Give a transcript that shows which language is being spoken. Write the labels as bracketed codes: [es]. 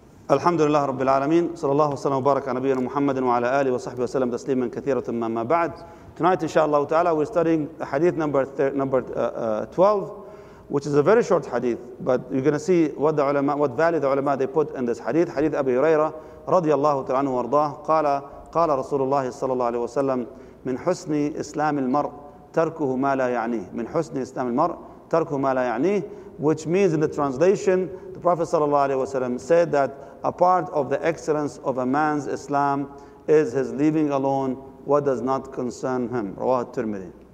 [ar] الحمد لله رب العالمين صلى الله وسلم وبارك على نبينا محمد وعلى آله وصحبه وسلم تسليما كثيرا ما بعد. [en] Tonight, inshallah ta'ala, we're studying hadith number 12, which is a very short hadith, but you're going to see what the ulama, what value the ulama they put in this hadith. [ar] Hadith Abu Huraira رضي الله تعالى عنه وارضاه قال رسول الله صلى الله عليه وسلم من حسن إسلام المرء تركه ما لا يعنيه [en] من حسن إسلام المرء تركه ما لا يعنيه, which means in the translation, the Prophet sallallahu alaihi wasallam said that a part of the excellence of a man's Islam is his leaving alone what does not concern him. [ar] رواه الترمذي.